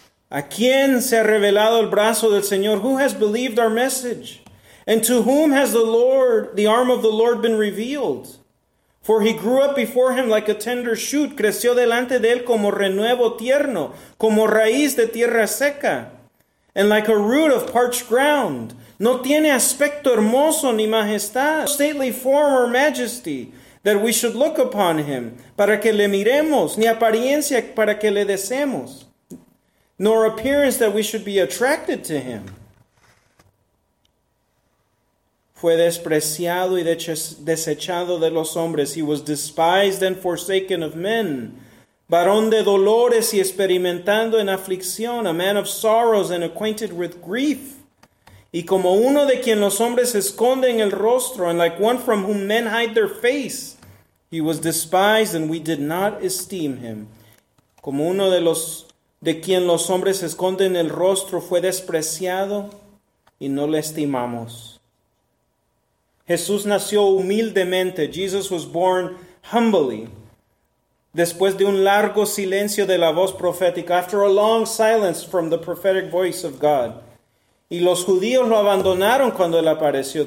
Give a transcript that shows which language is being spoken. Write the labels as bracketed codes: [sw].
[es] ¿A quién se ha revelado el brazo del Señor? [en] Who has believed our message? And to whom has the Lord, the arm of the Lord been revealed? For he grew up before him like a tender shoot. [es] Creció delante de él como renuevo tierno, como raíz de tierra seca, [en] and like a root of parched ground. [es] No tiene aspecto hermoso ni majestad, [en] no stately form or majesty, that we should look upon him, [es] para que le miremos, ni apariencia para que le deseemos, [en] nor appearance that we should be attracted to him. [es] Fue despreciado y desechado de los hombres. [en] He was despised and forsaken of men. [es] Varón de dolores y experimentando en aflicción. [en] A man of sorrows and acquainted with grief. [es] Y como uno de quien los hombres esconden el rostro. [en] And like one from whom men hide their face. He was despised and we did not esteem him. [es] Como uno de quien los hombres esconden el rostro. Fue despreciado y no le estimamos. Jesús nació humildemente. [en] Jesus was born humbly. [es] Después de un largo silencio de la voz profética. [en] After a long silence from the prophetic voice of God. [es] Y los judíos lo abandonaron cuando él apareció.